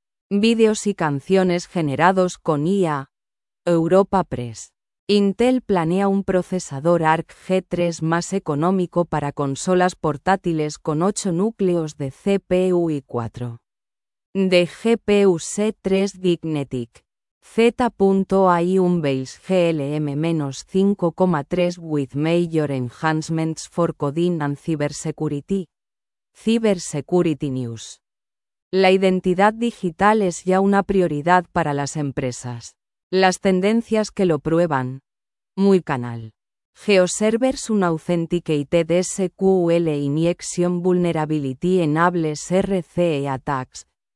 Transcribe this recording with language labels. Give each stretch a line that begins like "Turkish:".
Spanish: Vídeos y canciones generados con IA. Europa Press. Intel planea un procesador ARC G3 más económico para consolas portátiles con 8 núcleos de CPU y 4 de GPU C3. Dignetic.
English: Z.ai Unveils GLM-5.3 with major enhancements for coding and cybersecurity. Cybersecurity News.
Spanish: La identidad digital es ya una prioridad para las empresas. Las tendencias que lo prueban. Muy Canal.
English: GeoServers Unauthenticated SQL Injection Vulnerability Enables RCE Attacks.